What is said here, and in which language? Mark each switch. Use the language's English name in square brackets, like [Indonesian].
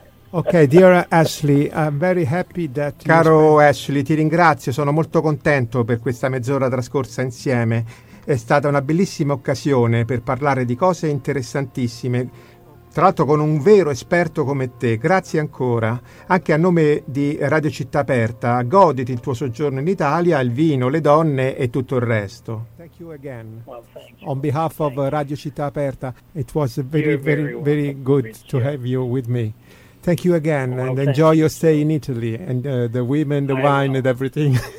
[English] Okay, dear Ashley, I'm very happy that. [Italian] Caro Ashley, ti ringrazio. Sono molto contento per questa mezz'ora trascorsa insieme. È stata una bellissima occasione per parlare di cose interessantissime. Tra l'altro con un vero esperto come te. Grazie ancora. Anche a nome di Radio Città Aperta, goditi il tuo soggiorno in Italia, il vino, le donne e tutto il resto. [English] Thank you again. On behalf of Radio Città Aperta, it was very, very, very good to have you with me. Thank you again and enjoy your stay in Italy and the women, the wine and everything.